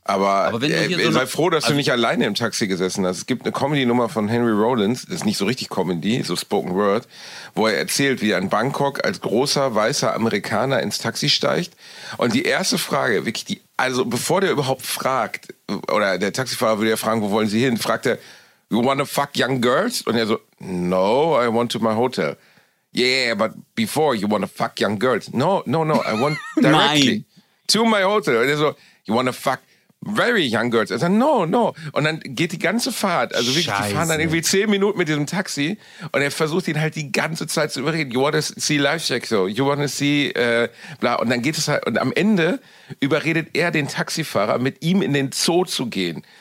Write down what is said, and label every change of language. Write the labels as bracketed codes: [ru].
[de] Aber wenn du hier sei froh, dass du nicht alleine im Taxi gesessen hast. Es gibt eine Comedy-Nummer von Henry Rollins, das ist nicht so richtig Comedy, so Spoken Word, wo er erzählt, wie er in Bangkok als großer, weißer Amerikaner ins Taxi steigt. Und die erste Frage, wirklich die, also bevor der überhaupt fragt, oder der Taxifahrer würde ja fragen, wo wollen Sie hin, fragt er, [en] you wanna fuck young girls? [de] Und er so, [en] no, I want to my hotel. Yeah, but before you wanna fuck young girls. No, I want directly to my hotel. [de] Und er so, [en] you wanna fuck very young girls? [de] Er sagt, [en] no. [de] Und dann geht die ganze Fahrt, also wirklich, Scheiße. Die fahren dann irgendwie 10 Minuten mit diesem Taxi und er versucht ihn halt die ganze Zeit zu überreden. [en] You wanna see Livecheck, so? You wanna see, bla. [de] Und dann geht es halt, und am Ende überredet er den Taxifahrer, mit ihm in den Zoo zu gehen.